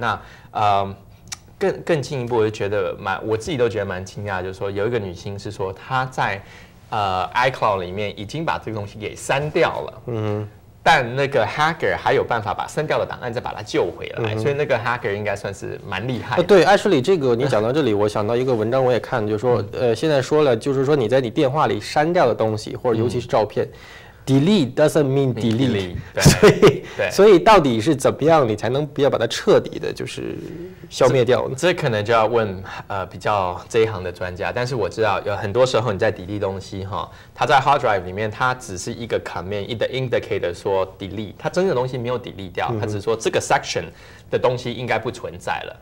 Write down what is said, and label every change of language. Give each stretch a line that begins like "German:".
Chinese: 那更进一步，我就觉得我自己都觉得蛮惊讶，就是说有一个女星是说她在iCloud 里面已经把这个东西给删掉了。嗯。但那个 hacker 还有办法把删掉的档案再把它救回来，所以那个 hacker 应该算是蛮厉害的。对 ，Ashley， 这个你讲到这里，我想到一个文章，我也看，就是说，现在说了，就是说你在你电话里删掉的东西，或者尤其是照片。
English: Delete doesn't mean delete，
Chinese: 对，所以到底是怎么样你才能不要把它彻底的就是消灭掉呢？这可能就要问比较这一行的专家。但是我知道有很多时候你在 delete 东西哈，它在 hard drive 里面它只是一个 command， 一个 indicator 说 delete， 它真的东西没有 delete 掉，它只是说这个 section 的东西应该不存在了。